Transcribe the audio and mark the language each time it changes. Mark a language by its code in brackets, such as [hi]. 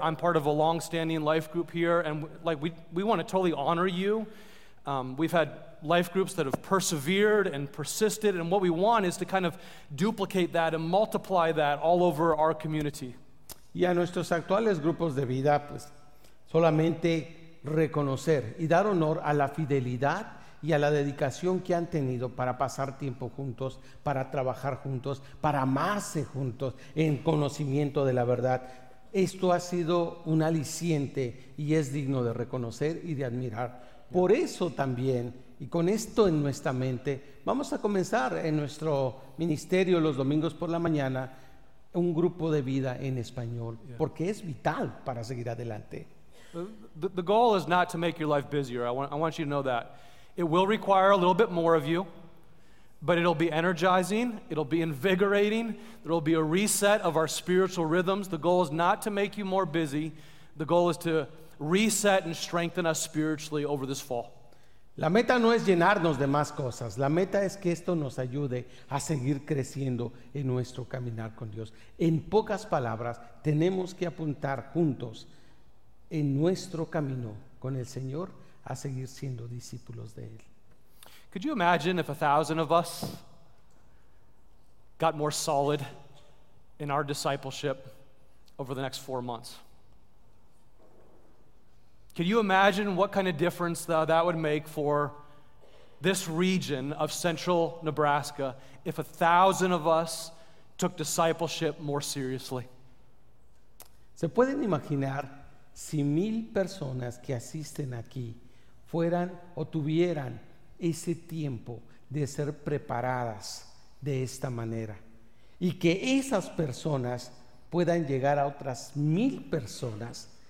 [en] I'm part of a long-standing life group here, and like we want to totally honor you. We've had life groups that have persevered and persisted, and what we want is to kind of duplicate that and multiply that all over our community. [es] Y a nuestros actuales grupos de vida, pues solamente reconocer y dar honor a la fidelidad y a la dedicación que han tenido para pasar tiempo juntos, para trabajar juntos, para amarse juntos en conocimiento de la verdad. Esto ha sido un aliciente y es digno de reconocer y de admirar. Por eso también, y con esto en nuestra mente, vamos a comenzar en nuestro ministerio los domingos por la mañana un grupo de vida en español, porque es vital para seguir adelante. [en] The goal is not to make your life busier. I want you to know that. It will require a little bit more of you, but it'll be energizing, it'll be invigorating, there'll be a reset of our spiritual rhythms. The goal is not to make you more busy. The goal is to reset and strengthen us spiritually over this fall. [es] La meta no es llenarnos de más cosas. La meta es que esto nos ayude a seguir creciendo en nuestro caminar con Dios. En pocas palabras, tenemos que apuntar juntos en nuestro camino con el Señor a seguir siendo discípulos de Él. [en] Could you imagine if 1,000 of us got more solid in our discipleship over the next 4 months? Can you imagine what kind of difference that would make for this region of central Nebraska if 1,000 of us took discipleship more seriously? [es] ¿Se pueden imaginar si 1,000 personas que asisten aquí fueran o tuvieran ese tiempo de ser preparadas de esta manera y que esas personas puedan llegar a otras 1,000 personas?